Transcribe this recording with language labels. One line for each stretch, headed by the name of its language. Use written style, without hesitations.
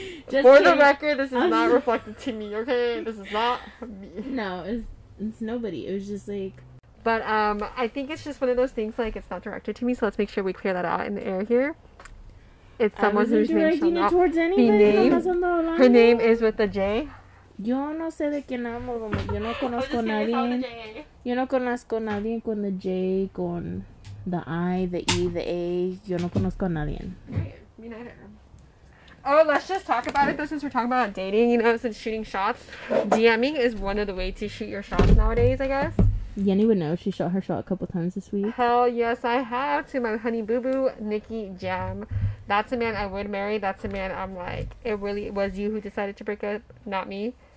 English: Just for kidding. The record, this is not reflected to me, okay? This is not me. No, it's nobody. It was just like, but I think it's just one of those things, like, it's not directed to me, so let's make sure we clear that out in the air here. It's someone who's directing it towards anybody. Her name is with a J.
Spanish: Yo no sé de quién hablo, mamá. Yo no conozco a nadie. Yo no conozco a nadie con the J, con the I, the E, the A. Yo no conozco a nadie.
English: Me neither. Oh, let's just talk about it, though, since we're talking about dating, you know, since shooting shots. DMing is one of the ways to shoot your shots nowadays, I guess. Yenny would know. She shot her shot a couple times this week. Hell yes, I have. To my honey boo boo, Nikki Jam. That's a man I would marry. That's a man I'm like, it really was you who decided to break up, not me.